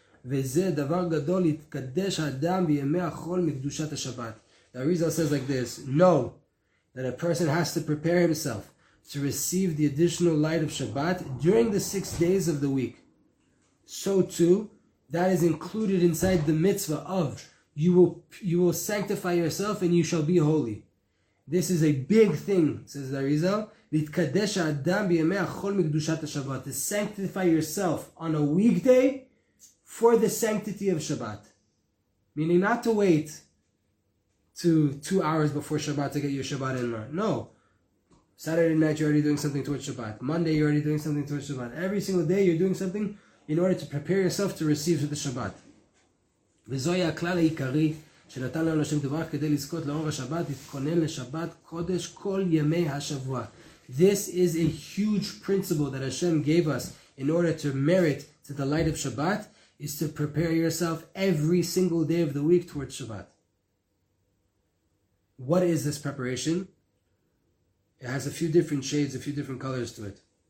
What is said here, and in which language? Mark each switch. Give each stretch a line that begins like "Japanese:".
Hebrew: וזה דבר גדול להתקדש האדם בימי החול מקדושת השבת.
English: The Arizal says like this, no, that a person has to prepare himself to receive the additional light of Shabbat during the 6 days of the week. So too, that is included inside the mitzvah of you will sanctify yourself and you shall be holy. This is a big thing, says the Arizal,
Hebrew: להתקדש האדם בימי החול מקדושת השבת,
English: to sanctify yourself on a weekday for the sanctity of Shabbat. Meaning not to wait to 2 hours before Shabbat to get your Shabbat in. No. Saturday night you're already doing something towards Shabbat. Monday you're already doing something towards Shabbat. Every single day you're doing something in order to prepare yourself to receive the Shabbat.
Hebrew: וזוהי הכלל העיקרי שנתן לנו השם תברך כדי לזכות לאור השבת, להתכונן לשבת קודש כל ימי השבוע.
English: This is a huge principle that Hashem gave us in order to merit to the light of Shabbat, is to prepare yourself every single day of the week towards Shabbat. What is this preparation? It has a few different shades, a few different colors to it.